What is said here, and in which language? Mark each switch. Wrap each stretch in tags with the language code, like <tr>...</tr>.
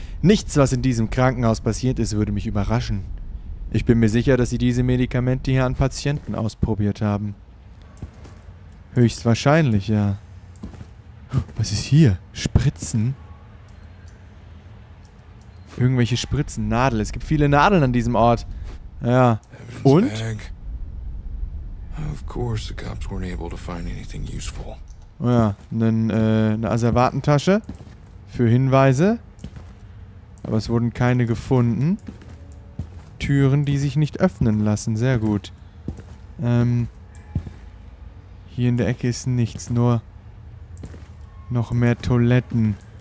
<de>Nichts, was in diesem Krankenhaus passiert ist, würde mich überraschen. Ich bin mir sicher, dass sie diese Medikamente hier an Patienten ausprobiert haben. Höchstwahrscheinlich, ja. Was ist hier? Spritzen? Irgendwelche Spritzen. Nadel. Es gibt viele Nadeln an diesem Ort. Ja. Und?</de> <en>Of course the cops weren't able to find anything useful.</en> <de>Oh ja, eine Asservatentasche für Hinweise. Aber es wurden keine gefunden. Türen, die sich nicht öffnen lassen. Sehr gut. Hier in der Ecke ist nichts, nur noch mehr Toiletten.</de>